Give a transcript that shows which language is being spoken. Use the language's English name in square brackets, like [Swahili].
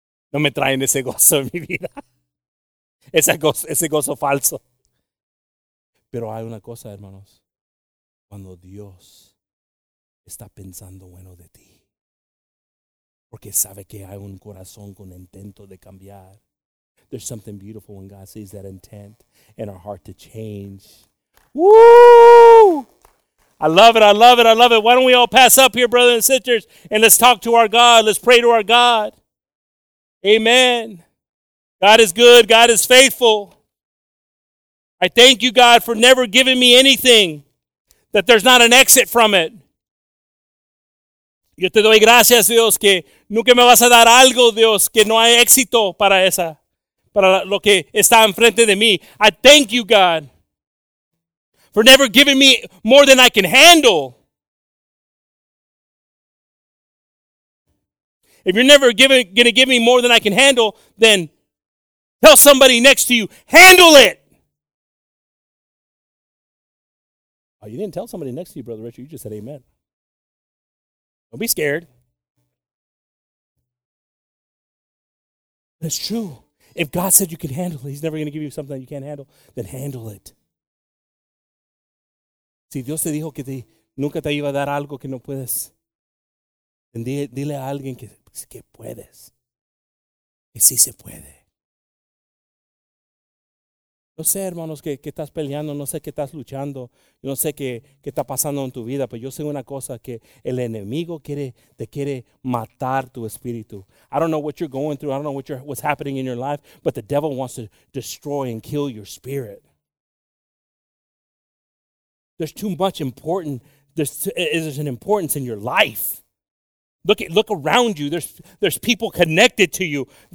[Spanish] No me traen ese gozo en mi vida. Ese gozo falso. Pero hay una cosa, hermanos, cuando Dios está pensando bueno de ti, porque sabe que hay un corazón con intento de cambiar. [English] There's something beautiful when God sees that intent in our heart to change. Woo! I love it, I love it, I love it. Why don't we all pass up here, brothers and sisters, and let's talk to our God. Let's pray to our God. Amen. God is good. God is faithful. I thank you, God, for never giving me anything that there's not an exit from it. [Spanish] Yo te doy gracias, Dios, que nunca me vas a dar algo, Dios, que no hay éxito para esa, para lo que está enfrente de mí. [English] I thank you, God, for never giving me more than I can handle. If you're never going to give me more than I can handle, then tell somebody next to you, handle it. You didn't tell somebody next to you, Brother Richard. You just said amen. Don't be scared. That's true. If God said you can handle it, he's never going to give you something that you can't handle. Then handle it. [Spanish] Si Dios te dijo que nunca te iba a dar algo que no puedes, Dile a alguien que puedes. Que sí se puede. Yo sé, hermanos, que estás peleando. No sé qué estás luchando. Yo no sé qué está pasando en tu vida. Pero yo sé una cosa, que el enemigo te quiere matar tu espíritu. [English] I don't know what you're going through. I don't know what's happening in your life. But the devil wants to destroy and kill your spirit. There's too much important. There's an importance in your life. Look around you. There's people connected to you.